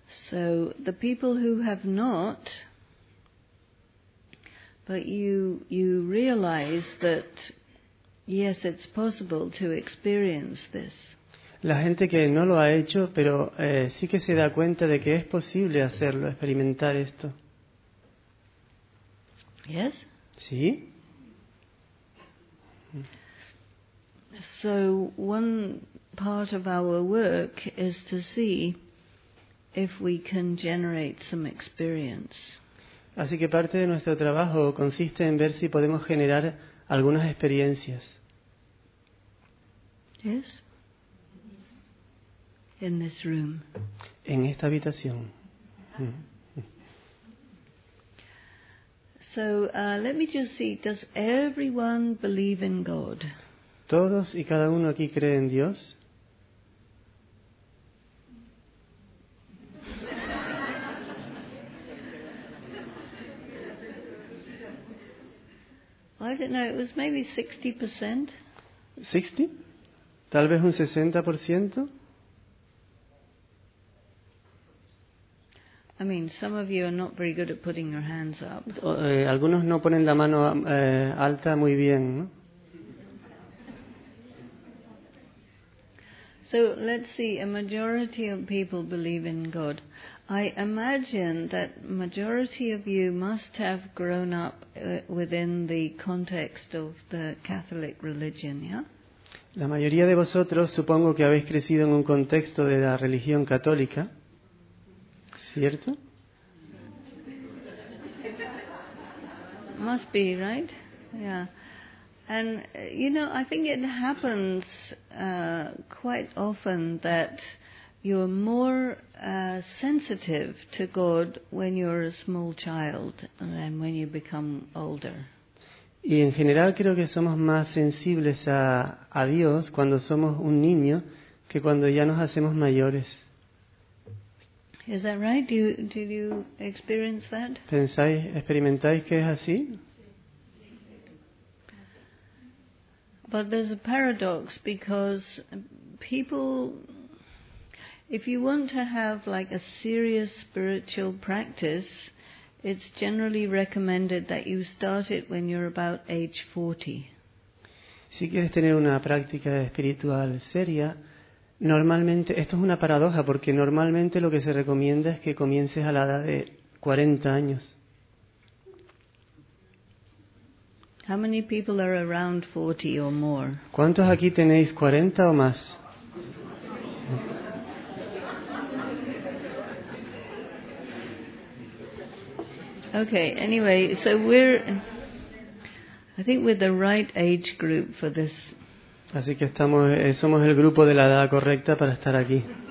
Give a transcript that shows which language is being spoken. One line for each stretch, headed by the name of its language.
English: So, the people who have not, but you realize that, yes, it's possible to experience this.
Spanish: La gente que no lo ha hecho, pero sí que se da cuenta de que es posible hacerlo, experimentar esto.
English: Yes.
Spanish: Sí.
English: So one part of our work is to see if we can generate some experience.
Spanish: Así que parte de nuestro trabajo consiste en ver si podemos generar algunas experiencias.
English: Yes. In this room.
Spanish: En esta habitación.
English: So let me just see. Does everyone believe in God?
Spanish: ¿Todos y cada uno aquí cree en Dios?
English: I don't know. It was maybe 60%.
Spanish: 60? Tal vez un 60%.
English: I mean, some of you are not very good at putting your hands up.
Spanish: Algunos no ponen la mano alta muy bien, ¿no?
English: So let's see. A majority of people believe in God. I imagine that majority of you must have grown up within the context of the Catholic religion, yeah?
Spanish: La mayoría de vosotros supongo que habéis crecido en un contexto de la religión católica. ¿Cierto?
English: Must be, right? Yeah. And, you know, I think it happens quite often that you're more sensitive to God when you're a small child than when you become older.
Spanish: Y en general creo que somos más sensibles a Dios cuando somos un niño que cuando ya nos hacemos mayores.
English: Is that right? Did you experience that?
Spanish: ¿Pensáis, experimentáis que es así?
English: But there's a paradox because people, if you want to have like a serious spiritual practice, it's generally recommended that you start it when you're about age 40.
Spanish: Si quieres tener una práctica espiritual seria, normalmente, esto es una paradoja, porque normalmente lo que se recomienda es que comiences a la edad de 40 años.
English: How many people are around 40 or more?
Spanish: ¿Cuántos aquí tenéis 40 o más?
English: Okay, anyway, so I think we're the right age group for this.
Spanish: Así que somos el grupo de la edad correcta para estar aquí.